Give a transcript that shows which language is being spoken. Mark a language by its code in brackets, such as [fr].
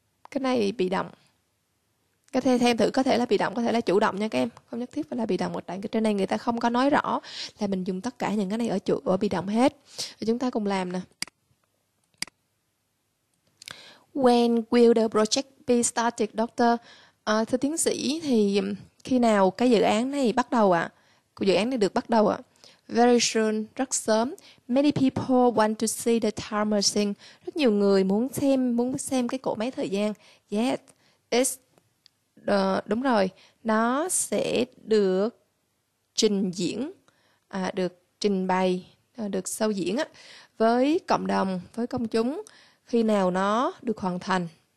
[vi] Cái này bị động. Có thể thêm thử, có thể là bị động, có thể là chủ động nha các em, không nhất thiết phải là bị động. Một đoạn trên này người ta không có nói rõ là mình dùng tất cả những cái này ở chủ ở bị động hết. Chúng ta cùng làm nè. [en] When will the project be started, doctor? [vi] Thưa tiến sĩ, thì khi nào cái dự án này bắt đầu ạ? Dự án này được bắt đầu ạ? [en] Very soon, [vi] rất sớm. [en] Many people want to see the time machine. [vi] Rất nhiều người muốn xem cái cỗ máy thời gian. [en] Yes, it's [vi] đúng rồi, nó sẽ được trình diễn, được trình bày, được sau diễn á, với cộng đồng, với công chúng khi nào nó được hoàn thành.